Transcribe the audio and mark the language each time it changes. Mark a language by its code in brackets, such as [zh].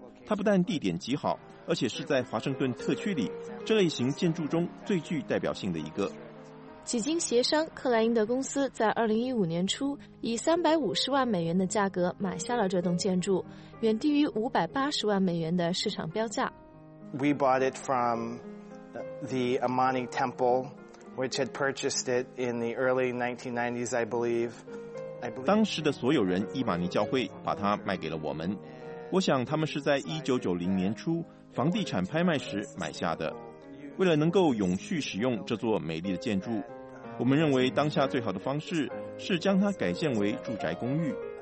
[zh] 它不但地点极好，而且是在华盛顿特区里这类型建筑中最具代表性的一个。几经协商，克莱因的公司在2015年初以350万美元的价格买下了这栋建筑，远低于580万美元的市场标价。 [en] We bought it from the Amani Temple, which had purchased it in the early 1990s, I believe. [zh] 当时的所有人伊玛尼教会把它卖给了我们，我想他们是在1990年初房地产拍卖时买下的。为了能够永续使用这座美丽的建筑，我们认为当下最好的方式是将它改建为住宅公寓。